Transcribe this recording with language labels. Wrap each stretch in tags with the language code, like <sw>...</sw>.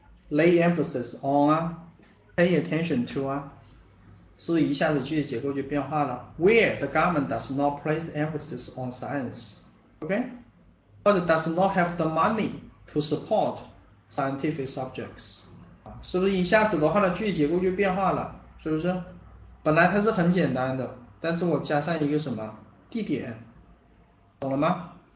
<en>Lay emphasis on</en> <zh>啊，</zh> <en>pay attention to</en> <zh>啊，是一下子句子结构就变化了。</zh> <en>Where the government does not place emphasis on science, OK? But does not have the money to support scientific subjects.</en> <zh>是不是一下子的话呢句子结构就变化了，是不是？本来它是很简单的，但是我加上一个什么地点，懂了吗？</zh>